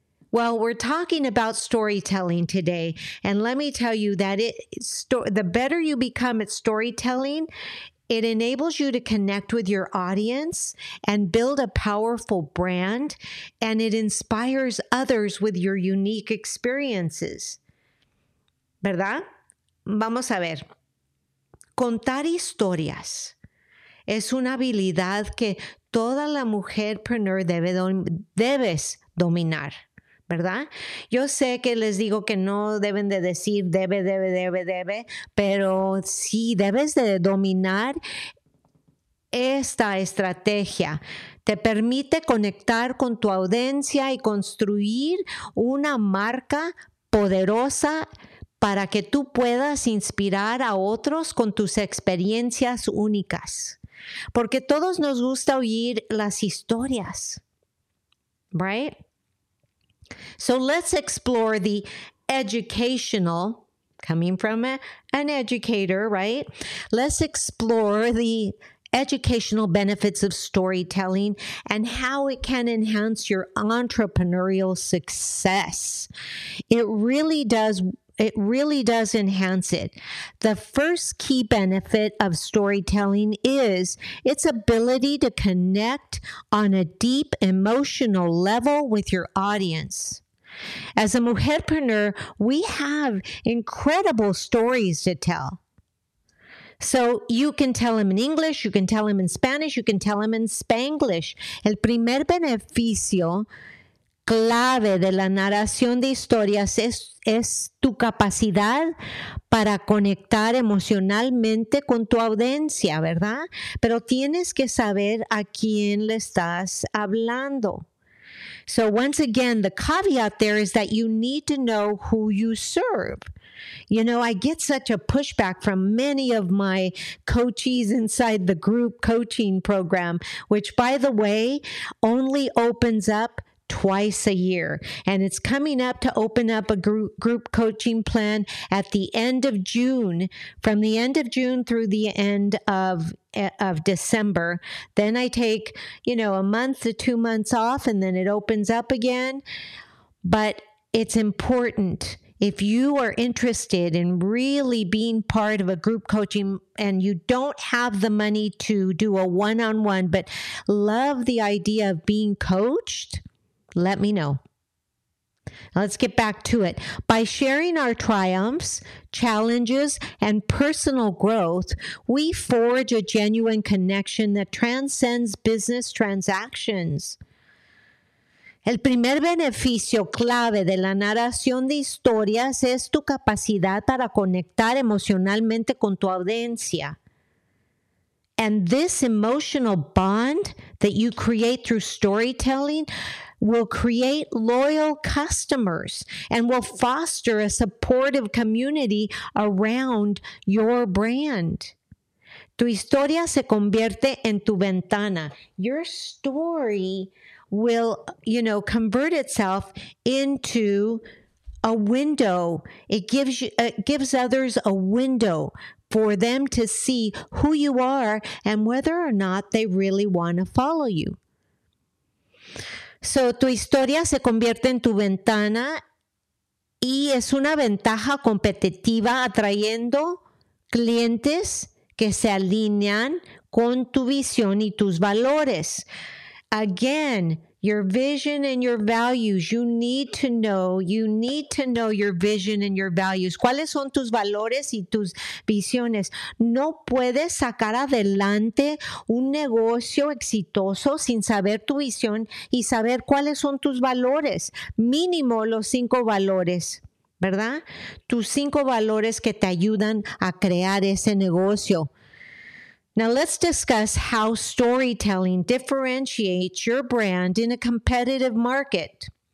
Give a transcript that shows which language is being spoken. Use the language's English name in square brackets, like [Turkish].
[English] Well, we're talking about storytelling today, and let me tell you that the better you become at storytelling, it enables you to connect with your audience and build a powerful brand, and it inspires others with your unique experiences. [Spanish] ¿Verdad? Vamos a ver. Contar historias es una habilidad que toda la mujerpreneur debes dominar, ¿verdad? Yo sé que les digo que no deben de decir debe, pero sí debes de dominar Esta estrategia te permite conectar con tu audiencia y construir una marca poderosa para que tú puedas inspirar a otros con tus experiencias únicas. Porque todos nos gusta oír las historias, right? [English] So let's explore the educational, coming from an educator, right? Let's explore the educational benefits of storytelling and how it can enhance your entrepreneurial success. It really does enhance it. The first key benefit of storytelling is its ability to connect on a deep emotional level with your audience. As a mujerpreneur, we have incredible stories to tell. So you can tell them in English, you can tell them in Spanish, you can tell them in Spanglish. [Spanish] El primer beneficio clave de la narración de historias es tu capacidad para conectar emocionalmente con tu audiencia, ¿verdad? Pero tienes que saber a quién le estás hablando. [English] So once again, the caveat there is that you need to know who you serve. You know, I get such a pushback from many of my coaches inside the group coaching program, which, by the way, only opens up twice a year. And it's coming up to open up a group coaching plan at the end of June, from the end of June through the end of December. Then I take, you know, a month to 2 months off, and then it opens up again. But it's important. If you are interested in really being part of a group coaching and you don't have the money to do a one-on-one, but love the idea of being coached, let me know. Let's get back to it. By sharing our triumphs, challenges, and personal growth, we forge a genuine connection that transcends business transactions. [Spanish] El primer beneficio clave de la narración de historias es tu capacidad para conectar emocionalmente con tu audiencia. [English] And this emotional bond that you create through storytelling will create loyal customers and will foster a supportive community around your brand. [Spanish] Tu historia se convierte en tu ventana. [English] Your story will, you know, convert itself into a window. It gives others a window for them to see who you are and whether or not they really want to follow you. So [Spanish] tu historia se convierte en tu ventana y es una ventaja competitiva atrayendo clientes que se alinean con tu visión y tus valores. [English] Again, your vision and your values. You need to know your vision and your values. [Spanish] ¿Cuáles son tus valores y tus visiones? No puedes sacar adelante un negocio exitoso sin saber tu visión y saber cuáles son tus valores. Mínimo los 5 valores, ¿verdad? Tus 5 valores que te ayudan a crear ese negocio. [English] Now let's discuss how storytelling differentiates your brand in a competitive market.